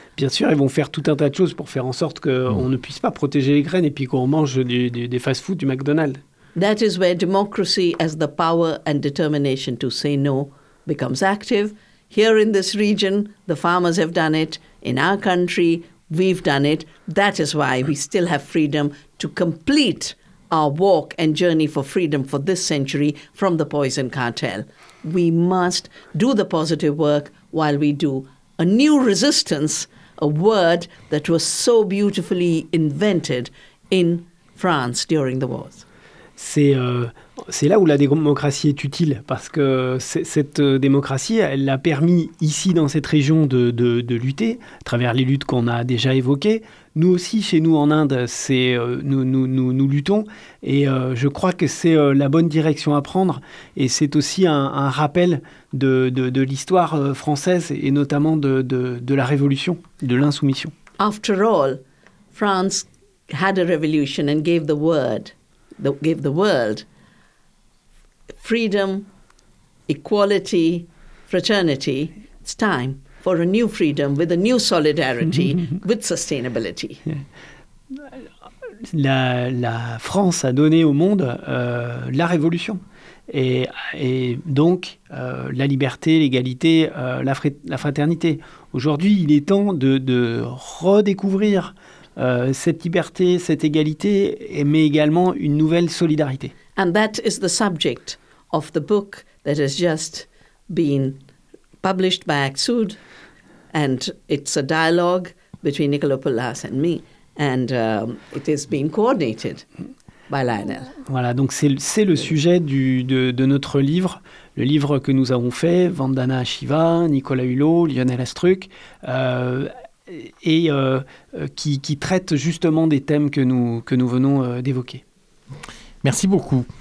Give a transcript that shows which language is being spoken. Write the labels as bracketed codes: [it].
[fr] Bien sûr, ils vont faire tout un tas de choses pour faire en sorte qu'on ne puisse pas protéger les graines et puis qu'on mange des fast-foods, du McDonald's. [en] That is where democracy has the power and determination to say no becomes active. Here in this region, the farmers have done it. In our country, we've done it. That is why we still have freedom to complete our walk and journey for freedom for this century from the poison cartel. We must do the positive work while we do a new resistance, a word that was so beautifully invented in France during the wars. [fr] C'est là où la démocratie est utile, parce que cette démocratie, elle a permis ici dans cette région de lutter, à travers les luttes qu'on a déjà évoquées. Nous aussi, chez nous en Inde, nous luttons, et je crois que c'est la bonne direction à prendre, et c'est aussi un rappel de l'histoire française, et notamment de la révolution, de l'insoumission. [en] After all, France had a revolution and gave the word. That gave the world freedom, equality, fraternity. It's time for a new freedom with a new solidarity with sustainability. [fr] La France a donné au monde la révolution et donc la liberté, l'égalité, la fraternité. Aujourd'hui, il est temps de redécouvrir cette liberté, cette égalité, mais également une nouvelle solidarité. [en] And that is the subject of the book that has just been published by Aksud, and it's a dialogue between Nicolopoulos and me, and it is being coordinated by Lionel. [fr] Voilà, donc c'est le sujet de notre livre. Le livre que nous avons fait, Vandana Shiva, Nicolas Hulot, Lionel Astruc, et qui traite justement des thèmes que nous venons d'évoquer. Merci beaucoup.